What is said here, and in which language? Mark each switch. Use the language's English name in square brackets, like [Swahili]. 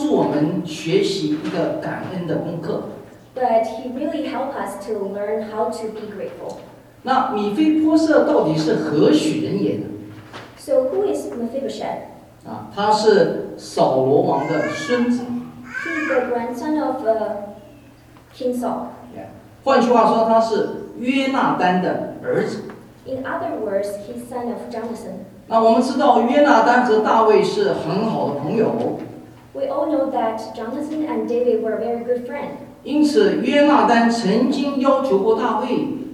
[Chinese] 但是却真的可以帮助我们学习一个感恩的功课。 [English] But he really helped us to learn how to be grateful. [Chinese] 那米非波设到底是何许人也呢？ [English] So who is Mephibosheth? [Chinese] 他是扫罗王的孙子。 [English] He's the grandson of King Saul. [Chinese] 换句话说，他是约纳丹的儿子。 [English] In other words, he's son of Jonathan. [Chinese] 那我们知道约纳丹和大卫是很好的朋友。 [English] We all know that Jonathan and David were very good friends. [Chinese] 因此，约纳丹曾经要求过大卫。